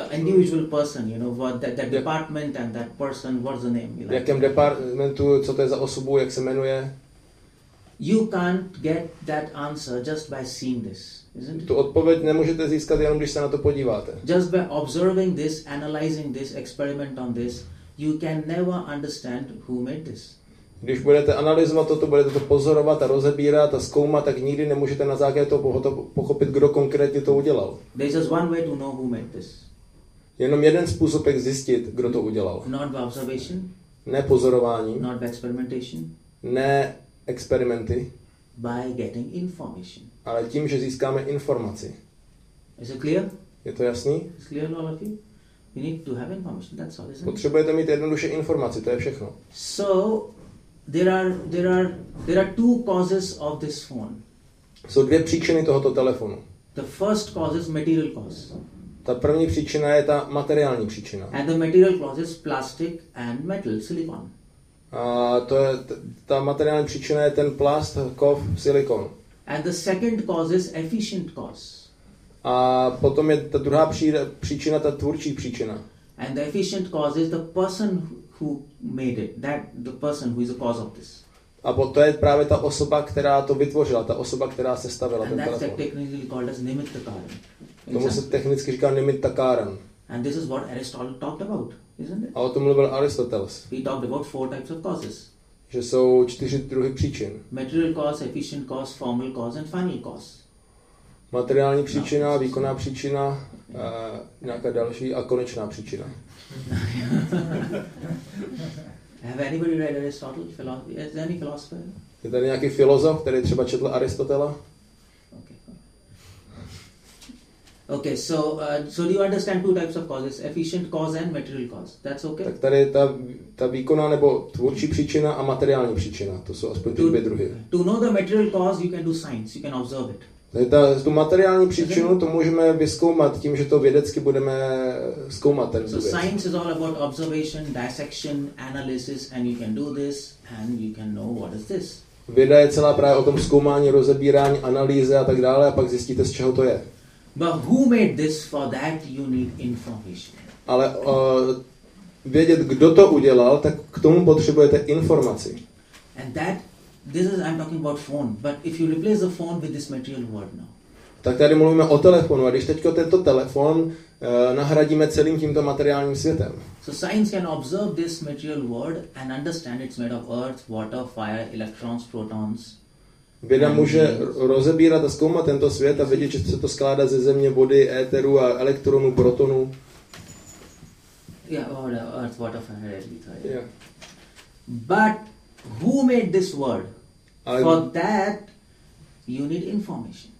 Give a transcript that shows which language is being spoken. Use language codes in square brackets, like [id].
[en] Individual person, you know, what that department and that person, what's the name? [cs] V jakém departmentu, co to je za osobu, jak se jmenuje? [en] You can't get that answer just by seeing this, isn't it? [cs] Tu odpověď nemůžete získat jenom když se na to podíváte. [en] Just by observing this, analyzing this, experiment on this, you can never understand who made this. [cs] Když budete analyzovat toto, budete to pozorovat a rozebírat a zkoumat, tak nikdy nemůžete na základě toho pochopit, kdo konkrétně to udělal. [en] There's just one way to know who made this. [cs] Jenom jeden způsob, jak zjistit, kdo to udělal. [en] Not by observation. [cs] Ne pozorování. [en] Not by experimentation. [cs] Ne experimenty. [en] By getting information. [cs] Ale tím, že získáme informaci. [en] Is it clear? [cs] Je to jasný? [en] Is clear, all of you? You need to have information, that's all, isn't it? [cs] Potřebujete mít jednoduše informaci, to je všechno. [en] So, there are two causes of this phone. [cs] Jsou dvě příčiny tohoto telefonu. [en] The first cause is material cause. [cs] Ta první příčina je ta materiální příčina. [en] And the material cause is plastic and metal, silicon. [cs] A to je ta materiální příčina je ten plast, kov, silikon. [en] And the second cause is efficient cause. [cs] A potom je ta druhá příčina ta tvůrčí příčina. [en] And the efficient cause is the person who made it, that the person who is the cause of this. [cs] A to je právě ta osoba, která to vytvořila, ta osoba, která sestavila ten telefon. And [en] that's technically called as nimittakaran. [cs] Tomu se technicky říká nimittakaran. [en] And this is what Aristotle talked about. Isn't it? [cs] A o tom mluvil Aristoteles. [en] He talked about four types of causes. [cs] Že jsou čtyři druhy příčin. [en] Material cause, efficient cause, formal cause and final cause. [cs] Materiální příčina, no, výkonná příčina, yeah. Nějaká další a konečná příčina. [en] Have anybody read Aristotle? Is there any philosopher? [cs] Je tady nějaký filozof, který třeba četl Aristotela? [en] Okay, so do you understand two types of causes, efficient cause and material cause? That's okay. [cs] Tak tady ta výkonná nebo tvůrčí příčina a materiální příčina, to jsou aspoň ty dvě druhy. [en] To know the material cause, you can do science, you can observe it. [cs] Tady tu materiální příčinu to můžeme vyzkoumat tím, že to vědecky budeme zkoumat ten. [en] So science is all about observation, dissection, analysis, and you can do this, and you can know what is this. [cs] Věda je celá právě o tom zkoumání, rozebírání, analýze a tak dále, a pak zjistíte, z čeho to je. [en] But who made this? For that you need information. [cs] Ale vědět, kdo to udělal, tak k tomu potřebujete informaci. [en] And that, this is I'm talking about phone. But if you replace the phone with this material world now. [cs] Tak tady mluvíme o telefonu. A když teďko tento telefon nahradíme celým tímto materiálním světem. [en] So science can observe this material world and understand it's made of earth, water, fire, electrons, protons. [cs] Věda může rozebírat a zkoumat tento svět a vědět, že se to skládá ze země, vody, éteru a elektronů, protonů. [en] Yeah, or earth, water, fire, ether. Yeah. But who made this world? Ale, for that you need information.